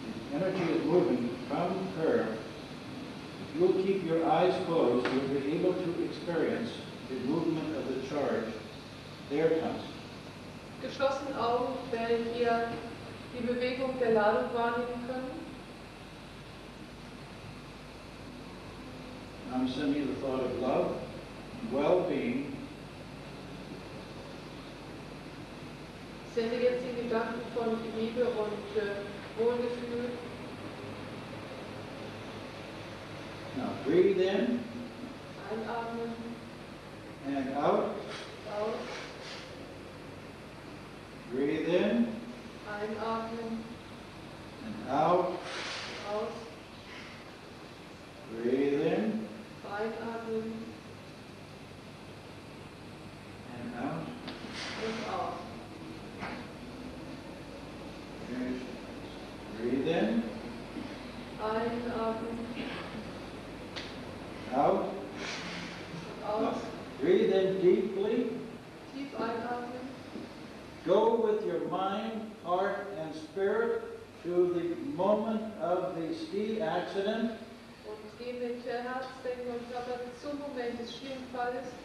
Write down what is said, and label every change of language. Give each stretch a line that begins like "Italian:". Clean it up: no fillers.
English: The energy is moving from her. If you'll keep your eyes closed, you'll be able to experience the movement of the charge. There it comes.
German: Geschlossen Augen werden wir die Bewegung der Ladung wahrnehmen können.
English: I'm sending the thought of love and well-being.
German: Sende jetzt die Gedanken von Liebe und Wohlgefühl.
English: Now breathe in.
German: Einatmen.
English: And out.
German: Aus.
English: Breathe in.
German: Einatmen.
English: And out.
German: Aus.
English: Breathe in.
German: Einatmen.
English: And out.
German: Und aus.
English: Breathe in.
German: Einatmen.
English: Out.
German: Aus.
English: Breathe in deeply.
German: Tief einatmen.
English: Go with your mind, heart, and spirit to the moment of the ski accident.
German: Und geh mit Herz, Denken und Körper zum Moment des Skiunfalls.